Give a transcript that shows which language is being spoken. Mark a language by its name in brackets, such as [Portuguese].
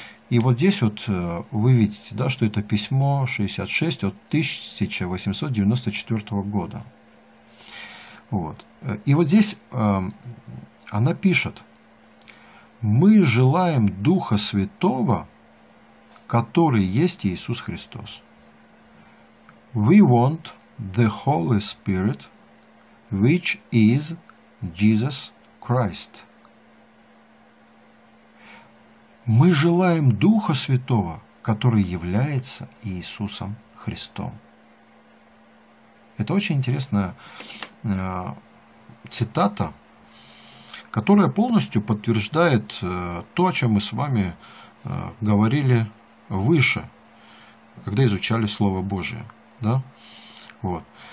[Russian] И вот здесь вот вы видите, да, что это письмо 66 от 1894 года. Вот. И вот здесь она пишет: «Мы желаем Духа Святого, который есть Иисус Христос. [English] We want the Holy Spirit, which is Jesus Christ». [Russian] Мы желаем Духа Святого, который является Иисусом Христом. Это очень интересная цитата, которая полностью подтверждает то, о чем мы с вами говорили выше, когда изучали Слово Божие. Да? Вот.